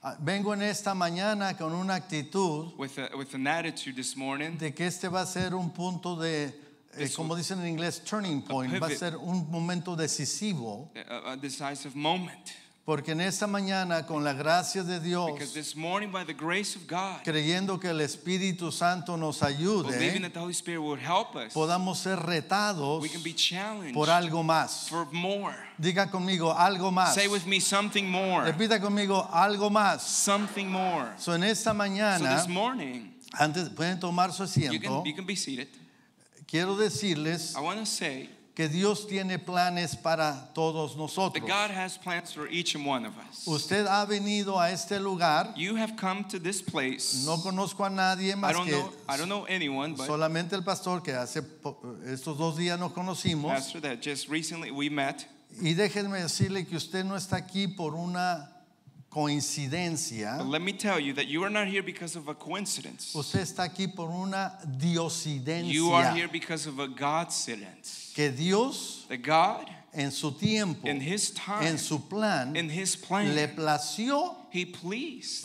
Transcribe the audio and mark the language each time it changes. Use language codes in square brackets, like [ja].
[es] Vengo en esta mañana con una actitud [en] with an attitude this morning, [es] de que este va a ser un punto de, como dicen en inglés, turning point, [en] a pivot, [es] va a ser un momento decisivo. [en] A decisive moment. [es] Porque en esta mañana, con la gracia de Dios, [en] because this morning, by the grace of God, [es] creyendo que el Espíritu Santo nos ayude, [en] believing that the Holy Spirit would help us, [es] podamos ser retados, [en] we can be challenged [es] por algo más. [en] For more. [es] Diga conmigo, algo más. [en] Say with me, something more. [es] Repita conmigo, algo más. [en] Something more. [es] So en esta mañana, [en] so this morning, [es] antes, pueden tomar su asiento. [en] You can be seated. [es] Quiero decirles, [en] I want to say, [es] que Dios tiene planes para todos nosotros. [en] That God has plans for each and one of us. [es] Usted ha venido a este lugar. [en] You have come to this place. [es] No conozco a nadie más que [en] I don't know anyone, but [es] solamente el pastor que hace estos dos días nos conocimos. [en] Pastor that just recently we met. [es] Y déjenme decirle que usted no está aquí por una coincidencia. [en] But let me tell you that you are not here because of a coincidence. [es] Usted está aquí por una diocidencia. [en] You are here because of a God-cidence. [es] Que Dios, [en] the God, [es] en su tiempo, [en] in his time, [es] en su plan, [en] in his plan, [es] le plació [en] he pleased